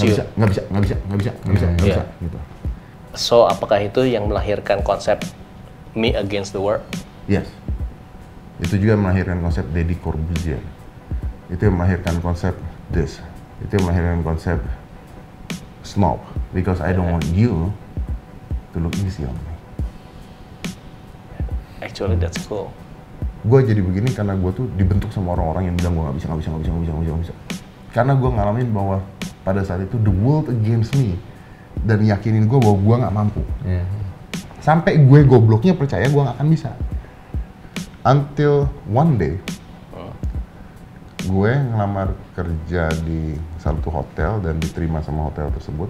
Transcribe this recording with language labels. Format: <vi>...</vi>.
<id>you. Enggak bisa. Yeah. Gitu. So, apakah itu yang melahirkan konsep me against the world? Yes. Itu juga melahirkan konsep Deddy Corbuzier. Itu yang melahirkan konsep this. Itu yang melahirkan konsep snob.</id> <en>Because I don't want you to look easy on me. Actually that's cool.</en> <id>Gua jadi begini karena gua tuh dibentuk sama orang-orang yang bilang gua gak bisa. Karena gua ngalamin bahwa pada saat itu the world against me. Dan yakinin gua bahwa gua gak mampu.</id> <en>Yeah.</en> <id>Sampai gue gobloknya percaya gua gak akan bisa. Until one day, gue ngelamar kerja di satu hotel dan diterima sama hotel tersebut.</id>